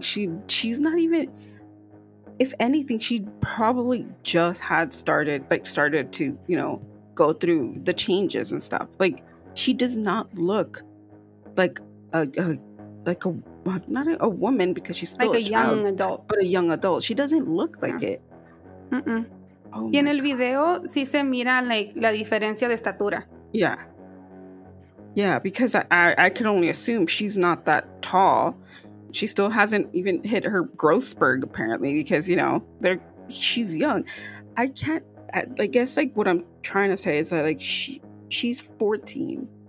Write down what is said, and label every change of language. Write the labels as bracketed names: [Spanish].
[English] She's not even, if anything, she probably just had started to, you know, go through the changes and stuff. Like, she does not look like a woman, because she's still like a child, young adult, but a young adult. She doesn't look like it. Mm-mm. [Spanish] Oh, y en el video, sí se mira, like, la diferencia de estatura. [English] Yeah. Yeah, because I can only assume she's not that tall. She still hasn't even hit her growth spurt, apparently, because, you know, she's young. I guess what I'm trying to say is that, like, she's 14.